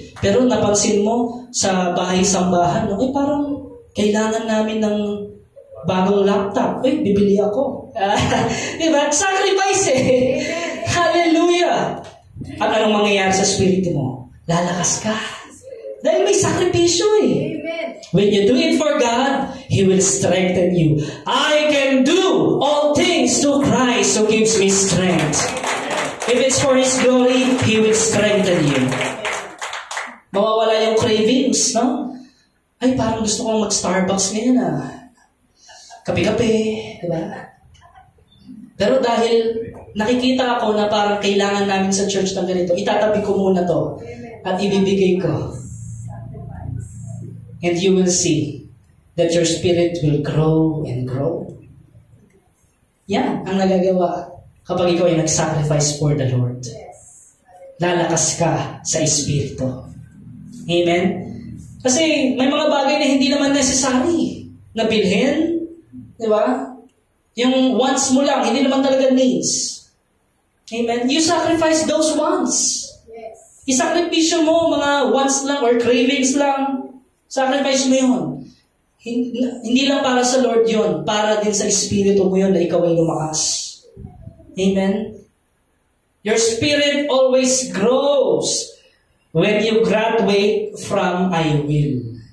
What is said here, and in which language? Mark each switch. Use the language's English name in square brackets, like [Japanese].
[Filipino] Pero napansin mo sa bahay-sambahan, no? Eh parang kailangan namin ng bagong laptop. Eh, bibili ako. Diba? [English] Sacrifice eh! Hallelujah! [Filipino] At anong mangyayari sa spirit mo? Lalakas ka. Dahil may sakripisyo eh. Amen. [English] When you do it for God, He will strengthen you. I can do all things through Christ who gives me strength. If it's for His glory, He will strengthen you. [Filipino] Mawawala yung cravings, no? Ay, parang gusto kong mag-Starbucks ngayon ah. Kape-kape, di ba? Pero dahil nakikita ako na parang kailangan namin sa church ng ganito, itatabi ko muna to at ibibigay ko. [English] And you will see that your spirit will grow and grow. [Filipino] Yan ang nagagawa kapag ikaw ay nag-sacrifice for the Lord. Lalakas ka sa Espiritu. Amen? Kasi may mga bagay na hindi naman necessary na bilhin. Di ba? Yung wants mo lang, hindi naman talaga needs. Amen? [English] You sacrifice those wants. Yes. [Filipino] Isacrifice mo mga wants lang or cravings lang. Sacrifice mo yun. Hindi lang para sa Lord yun. Para din sa Espiritu mo yun na ikaw ay lumakas. Amen? [English] Your spirit always grows when you graduate from I will.